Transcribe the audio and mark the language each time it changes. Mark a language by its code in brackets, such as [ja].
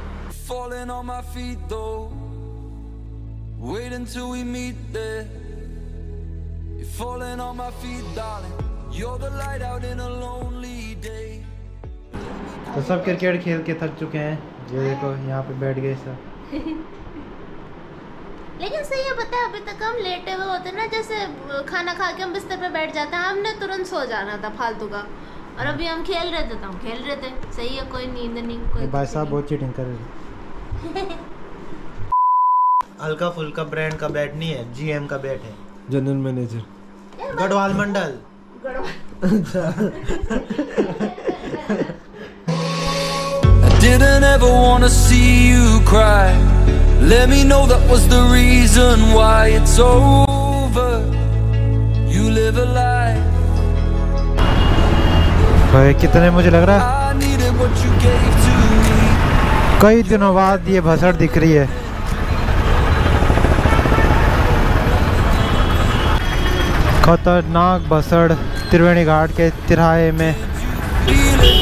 [en] falling on my feet though wait until we meet there you're falling on my feet darling you're the light out in a lonely day [hi] तो सब cricket खेल के थक चुके हैं, ये देखो यहाँ पे बैठ गए सब। लेकिन सही है, पता है अभी तक हम लेटे हुए होते ना, जैसे खाना खा के हम बिस्तर पे बैठ जाते हैं, हमने तुरंत सो जाना था फालतू का, और अभी हम खेल रहे थे तो हम खेल रहे थे, सही है, कोई नींद नहीं, कोई भाई साहब बहुत चीटिंग कर रहे। हल्का फुल्का ब्रांड का बैट नहीं है, जीएम का बैट है, general manager Garhwal Mandal. [en] Didn't ever wanna see you cry. Let me know that was the reason why it's over. You live a lie. [hi] भाई कितने मुझे लग रहा है, कई दिनों बाद ये भसड़ दिख रही है। खतरनाक भसड़ त्रिवेणी घाट के तिराहे में।